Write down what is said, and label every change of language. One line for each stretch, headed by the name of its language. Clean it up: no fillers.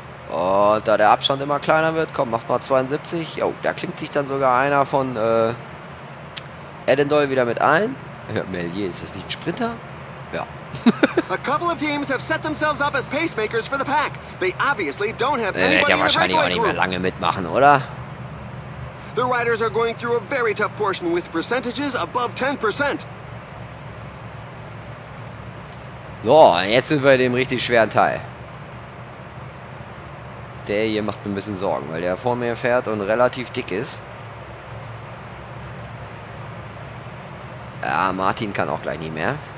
German: Und da der Abstand immer kleiner wird, komm, macht mal 72. Jo, da klingt sich dann sogar einer von Edendol wieder mit ein. Ja, Melier, ist das nicht ein Sprinter? Ja.
English: A couple of teams have set themselves up as pacemakers for the pack. They obviously don't have anybody.
German: Ja, wahrscheinlich auch nicht mehr lange mitmachen, oder?
English: The riders are going through a very tough portion with percentages above 10%.
German: So, jetzt sind wir in dem richtig schweren Teil. Der hier macht mir ein bisschen Sorgen, weil der vor mir fährt und relativ dick ist. Ja, Martin kann auch gleich nicht mehr.